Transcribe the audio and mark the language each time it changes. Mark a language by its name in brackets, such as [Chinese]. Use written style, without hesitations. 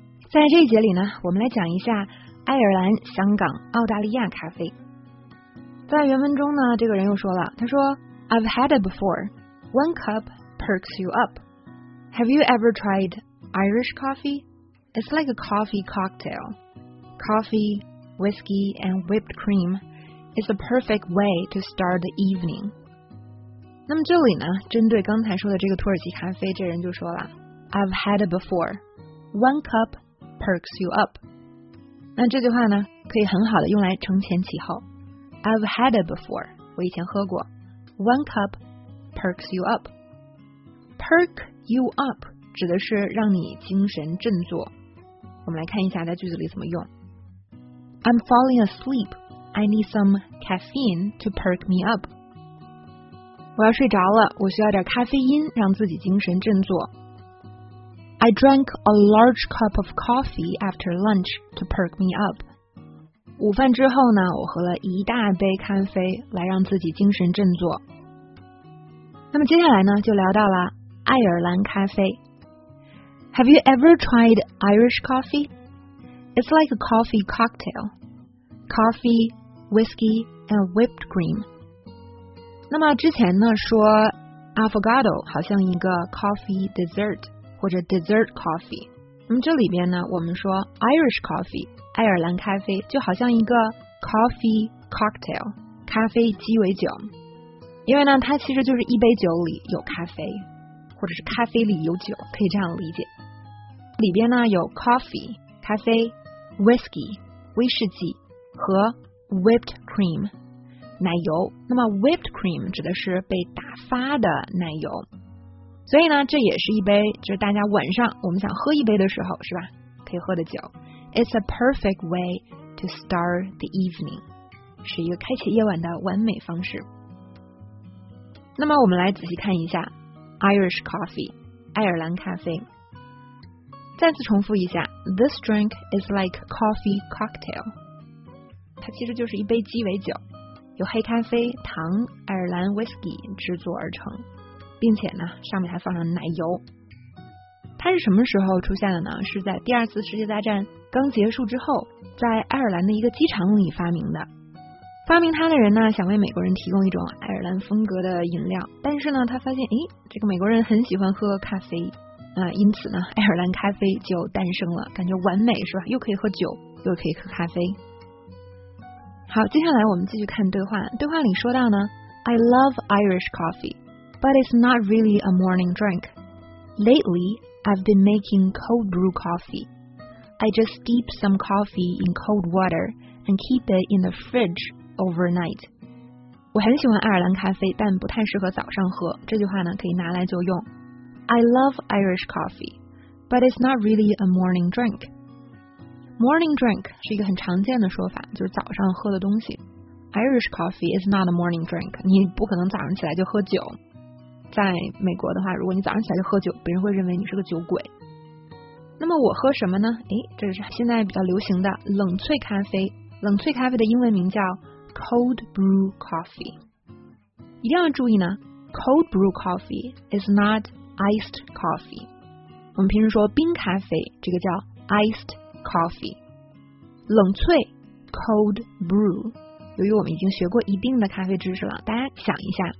[Chinese] 在这一节里呢，我们来讲一下爱尔兰、香港、澳大利亚咖啡。在原文中呢，这个人又说了，他说 [English] I've had it before. One cup perks you up. Have you ever tried Irish coffee? It's like a coffee cocktail. Coffee, whiskey and whipped cream is the perfect way to start the evening. [Chinese] 那么这里呢，针对刚才说的这个土耳其咖啡，这人就说了 [English] I've had it before. [Chinese] One cup perks you up. 那这句话呢，可以很好的用来承前启后。 [English] I've had it before. [Chinese] 我以前喝过。 [English] One cup perks you up. [Chinese] Perk you up 指的是让你精神振作。我们来看一下在句子里怎么用。 [English] I'm falling asleep. I need some caffeine to perk me up. [Chinese] 我要睡着了，我需要点咖啡因让自己精神振作。 [English] I drank a large cup of coffee after lunch to perk me up. [Chinese] 午饭之后呢，我喝了一大杯咖啡来让自己精神振作。那么接下来呢，就聊到了爱尔兰咖啡。 [English] Have you ever tried Irish coffee? It's like a coffee cocktail. Coffee, whiskey, and whipped cream. [Chinese] 那么之前呢，说 Affogato 好像一个 coffee dessert。或者 dessert coffee， 那么这里边呢，我们说 Irish coffee， 爱尔兰咖啡就好像一个 coffee cocktail， 咖啡鸡尾酒，因为呢，它其实就是一杯酒里有咖啡，或者是咖啡里有酒，可以这样理解。里边呢有 coffee 咖啡 ，whiskey 威士忌和 whipped cream 奶油。那么 whipped cream 指的是被打发的奶油。所以呢，这也是一杯，就是大家晚上我们想喝一杯的时候，是吧？可以喝的酒。 [English] It's a perfect way to start the evening， [Chinese] 是一个开启夜晚的完美方式。那么我们来仔细看一下 Irish coffee， 爱尔兰咖啡。再次重复一下 ， [English] This drink is like coffee cocktail， [Chinese] 它其实就是一杯鸡尾酒，由黑咖啡、糖、爱尔兰 whiskey 制作而成。并且呢，上面还放上奶油。它是什么时候出现的呢？是在第二次世界大战刚结束之后，在爱尔兰的一个机场里发明的。发明它的人呢，想为美国人提供一种爱尔兰风格的饮料，但是呢，他发现，这个美国人很喜欢喝咖啡，因此呢，爱尔兰咖啡就诞生了，感觉完美是吧？又可以喝酒，又可以喝咖啡。好，接下来我们继续看对话。对话里说到呢 [English] ，I love Irish coffee。 But it's not really a morning drink. Lately, I've been making cold brew coffee. I just steep some coffee in cold water and keep it in the fridge overnight. [Chinese] 我很喜欢爱尔兰咖啡，但不太适合早上喝。这句话呢，可以拿来就用。 [English] I love Irish coffee, but it's not really a morning drink. [Chinese] Morning drink 是一个很常见的说法，就是早上喝的东西。 [English] Irish coffee is not a morning drink. [Chinese] 你不可能早上起来就喝酒。在美国的话，如果你早上起来就喝酒，别人会认为你是个酒鬼。那么我喝什么呢？这是现在比较流行的冷萃咖啡。冷萃咖啡的英文名叫 cold brew coffee。一定要注意呢 ， [English] cold brew coffee is not iced coffee。 [Chinese] 我们平时说冰咖啡，这个叫 iced coffee。冷萃 cold brew， 由于我们已经学过一定的咖啡知识了，大家想一下。